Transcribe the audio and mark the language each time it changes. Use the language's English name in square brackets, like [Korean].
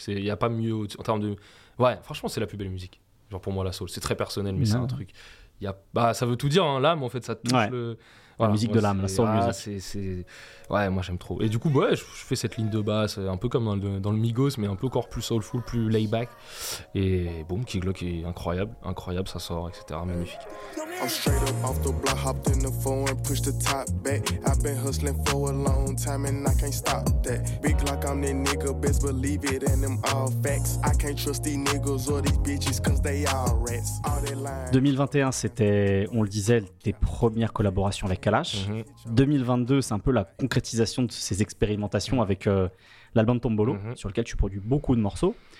[French] Il n'y a pas mieux en termes de... Ouais, franchement, c'est la plus belle musique. Genre pour moi, la soul. C'est très personnel, mais non. c'est un truc. Y a... bah, ça veut tout dire, hein, l'âme, en fait. Ça touche ouais. le... Voilà, la musique moi, de l'âme, c'est... la soul musique. Ah, c'est... Ouais, moi, j'aime trop. Et du coup, ouais, je fais cette ligne de basse, un peu comme dans le Migos, mais un peu encore plus soulful, plus laid-back. Et boum, Key Glock est incroyable. Incroyable, ça sort, etc. Magnifique. [English] I'm straight up off the block, hopped in the phone and pushed the top back. I've been hustling for a long time and I can't stop that. Big Glock, I'm that nigga, best believe it and them all facts. I can't trust these niggas or these bitches cause they all rats. [French] 2021, c'était, on le disait, tes premières collaborations avec Kalash. Mm-hmm. 2022, c'est un peu la concrétisation de ces expérimentations avec l'album Tombolo, mm-hmm. sur lequel tu produis beaucoup de morceaux.